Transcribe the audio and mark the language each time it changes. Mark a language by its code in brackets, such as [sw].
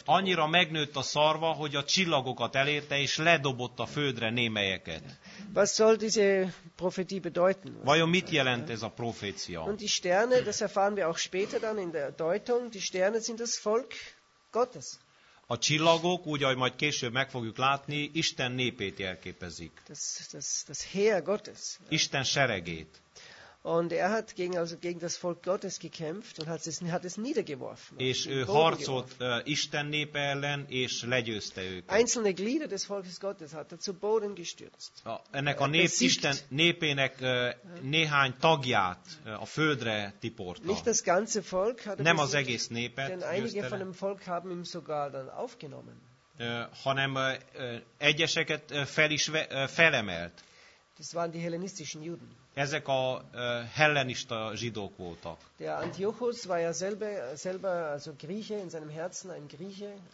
[hu] Annyira megnőtt a szarva, hogy a csillagokat elérte és ledobott a földre némelyeket. [de] Was soll diese Prophetie bedeuten? [hu] Vajon mit jelent ez a profécia? [de] Und die Sterne, das erfahren wir auch später dann in der Deutung, die Sterne sind das Volk Gottes. [hu] A csillagok, úgy, ahogy majd később meg fogjuk látni, Isten népét jelképezik. [de] Das Heer Gottes. [hu] Isten seregét. [de] Und er hat gegen das Volk Gottes gekämpft und hat es niedergeworfen. [hu] És ő harcolt Isten népe ellen, és legyőzte őket. [de] Einzelne Glieder des Volkes Gottes hat er zu Boden gestürzt. [hu] Ennek a nép, Isten népének néhány tagját a földre tiporta. [de] Nicht das ganze Volk hat er [hu] nem besiegt, az egész népet győzte. [de] Denn einige von dem Volk haben ihn sogar dann aufgenommen. [hu] Hanem egyeseket fel is felemelt. [de] Das waren die hellenistischen Juden. [hu] Ezek a hellenista zsidók voltak. [de] Der Antiochus war ja selber also Grieche in seinem Herzen ein Grieche.